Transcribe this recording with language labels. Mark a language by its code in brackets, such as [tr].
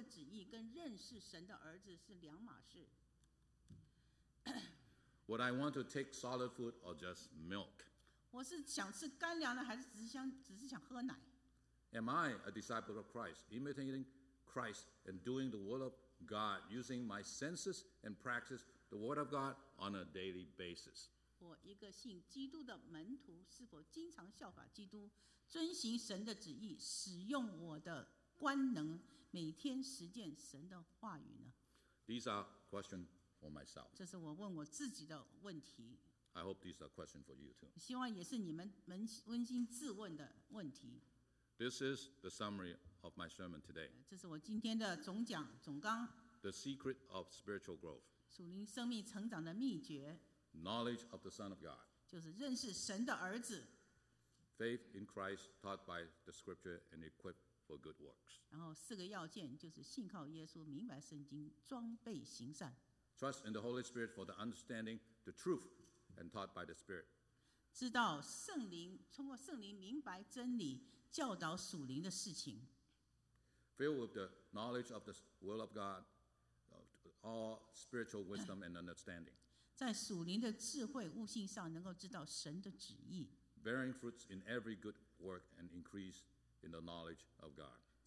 [zh] 我是否知道明白知道神的旨意跟认识神的儿子是两码事？ [en] Would I want to take solid food or just milk? [zh] 我是想吃干粮的还是只是想喝奶？ [en] Am I a disciple of Christ, imitating Christ and doing the will of God, using my senses and practice the word of God on a daily basis? [zh] 我一个信基督的门徒是否经常效法基督，遵行神的旨意，使用我的官能，每天实践神的话语呢？ [en] These are questions for myself. [zh] 这是我问我自己的问题。 [en] I hope these are questions for you too. [zh] 希望也是你们扪心自问的问题。 [en] This is the summary of my sermon today. [zh] 这是我今天的总讲总纲。 [en] The secret of spiritual growth. [zh] 属灵生命成长的秘诀。 [en] Knowledge of the Son of God. [zh] 就是认识神的儿子。 [en] Faith in Christ taught by the scripture and equipped for good works. [zh] 然后四个要件就是信靠耶稣，明白圣经，装备行善。 [en] Trust in the Holy Spirit for the understanding, the truth, and taught by the Spirit. [zh] 知道圣灵，通过圣灵明白真理，教导属灵的事情。 [en] Filled with the knowledge of the will of God, all spiritual wisdom and understanding. [zh] 在属灵的智慧悟性上能够知道神的旨意。 [en] Bearing fruits in every good work and increase in the knowledge of God.